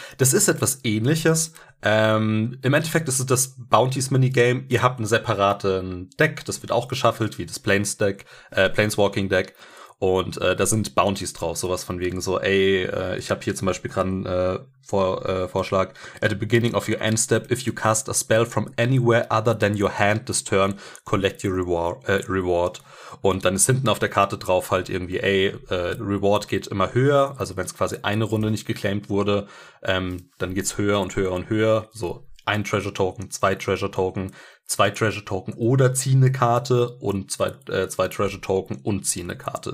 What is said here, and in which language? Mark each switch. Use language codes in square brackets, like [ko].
[de] Das ist etwas Ähnliches. Im Endeffekt ist es das Bounties-Minigame. Ihr habt ein separates Deck, das wird auch geschaffelt, wie das Planeswalking-Deck. Und da sind Bounties drauf, sowas von wegen so, ey, ich habe hier zum Beispiel gerade einen Vorschlag. [en] At the beginning of your end step, if you cast a spell from anywhere other than your hand this turn, collect your reward. [de] Und dann ist hinten auf der Karte drauf halt irgendwie, ey, Reward geht immer höher. Also wenn es quasi eine Runde nicht geclaimed wurde, dann geht's höher und höher und höher. So ein Treasure Token, zwei Treasure Token. Zwei Treasure Token oder zieh eine Karte und zwei Treasure Token und zieh eine Karte.